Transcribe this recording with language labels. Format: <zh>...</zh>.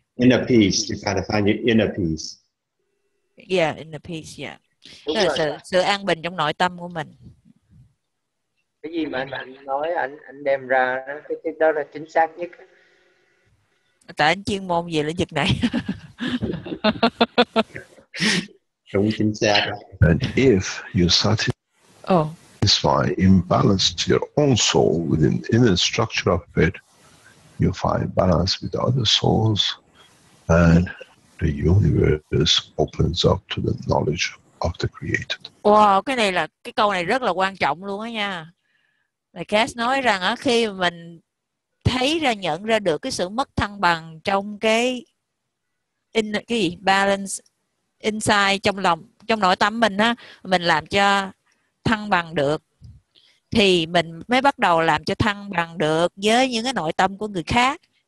<en>Inner peace, you gotta find your inner peace. Yeah, inner peace, yeah.</en> <vi>Đúng rồi. Sự an bình trong nội tâm của mình. Cái gì mà anh nói, anh đem ra, cái đó là chính xác nhất. Tại anh chuyên môn về lĩnh vực này. Đúng chính xác.</vi> <en>And if you satisfy imbalance to your own soul within the inner structure of it, you find balance with other souls and the universe opens up to the knowledge of the created.</en> <vi>Wow, cái này là cái câu này rất là quan trọng luôn á nha. Thầy Cass nói rằng á, khi mình thấy ra, nhận ra được cái sự mất thăng bằng trong cái</vi> <en>balance inside</en> <vi>trong lòng, trong nội tâm mình á, mình làm cho thăng bằng được, thì mình mới bắt đầu làm cho thăng bằng được với những cái nội tâm của người khác.</vi>